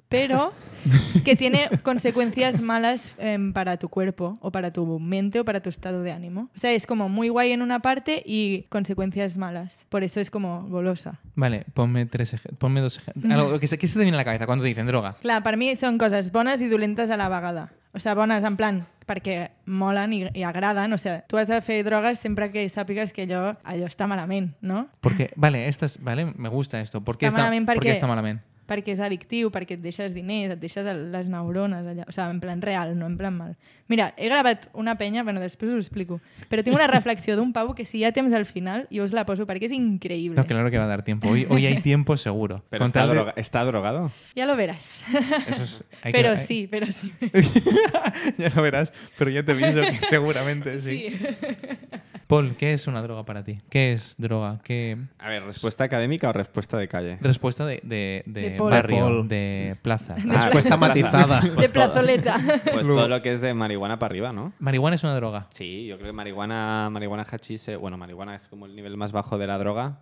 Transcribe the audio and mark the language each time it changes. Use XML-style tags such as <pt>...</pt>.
<es>Pero que tiene consecuencias malas para tu cuerpo o para tu mente o para tu estado de ánimo. O sea, es como muy guay en una parte y consecuencias malas. Por eso es como golosa. Vale, ponme dos ejemplos. ¿Qué se te viene a la cabeza cuando te dicen droga? Claro, para mí son cosas bonas y dolentas</es> <ca>a la vegada. O sea, bonas en plan perquè molen i agraden. O sea, tu has de fer drogues sempre que sàpigues que allò està malament, no?</ca> <es>Porque, vale, me gusta esto. ¿Por qué está malament?</es> <ca>Perquè és addictiu, perquè et deixes diners, et deixes les neurones allà.</ca> <es>O sea, en plan real, no en plan mal.</es> <ca>Mira, he gravat una penya, bueno, després us ho explico, però tinc una reflexió d'un pavo que si hi ha temps al final, jo us la poso perquè és increïble.</ca> <es>No, claro que va a dar tiempo. Hoy hay tiempo seguro.</es> <ca>Però està drogado?</ca> <es>Ja lo verás.</es> <ca>Però sí.</ca> <es>Ja lo verás, però ja te aviso que seguramente sí. Sí. Paul, ¿qué es una droga para ti? ¿Qué es droga? ¿Qué... A ver, ¿respuesta académica o respuesta de calle? Respuesta de Paul. Barrio, Paul. De plaza. Respuesta matizada. De plazoleta. Pues todo lo que es de marihuana para arriba, ¿no? ¿Marihuana es una droga? Sí, yo creo que marihuana hachís... Bueno, marihuana es como el nivel más bajo de la droga.</es>